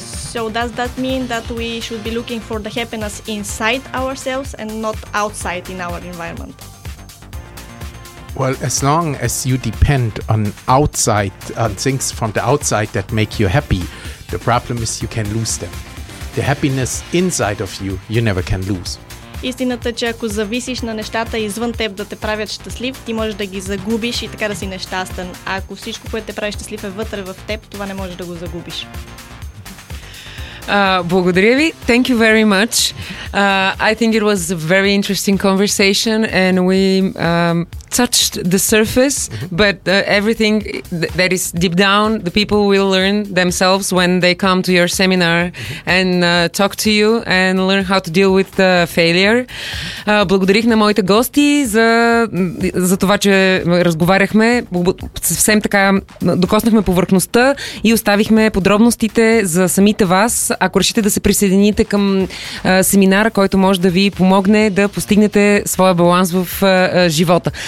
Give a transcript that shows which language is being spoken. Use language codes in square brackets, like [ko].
[en] So does that mean that we should be looking for the happiness inside ourselves and not outside in our environment? Well, as long as you depend on outside, on things from the outside that make you happy, the problem is you can lose them. The happiness inside of you, you never can lose. [bg] Истината е, че ако зависиш на нещата извън теб да те правят щастлив, ти можеш да ги загубиш и така да си нещастен. А ако всичко, което те прави щастлив е вътре в теб, това не можеш да го загубиш. Благодаря ви. [en] Thank you very much. I think it was a very interesting conversation and we touched the surface, but everything that is deep down, the people will learn themselves when they come to your seminar and talk to you and learn how to deal with failure. [bg] Благодарих на моите гости за това, че разговаряхме. Съвсем така докоснахме повърхността и оставихме подробностите за самите вас. Ако решите да се присъедините към семинара, който може да ви помогне да постигнете своя баланс в живота.